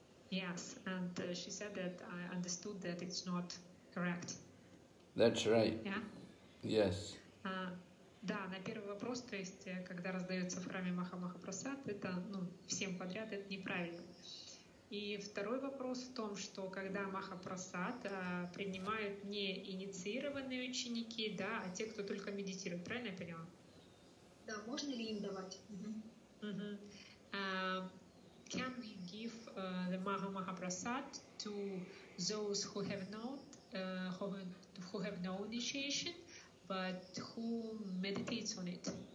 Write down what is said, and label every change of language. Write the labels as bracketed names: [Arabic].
[English] Yes, and she said that I understood that it's not correct. That's right. Yeah. Yes. [Russian] Да, на первый вопрос, то есть, когда раздается в храме Махамахапрасад, это, ну, всем подряд, это неправильно. И второй вопрос в том, что когда Махапрасад принимают не инициированные ученики, да, а те, кто только медитирует, правильно я поняла? Да, можно ли им давать? [English] Can we give the Махамахапрасад to those who have not, who have no initiation, but who meditates on it?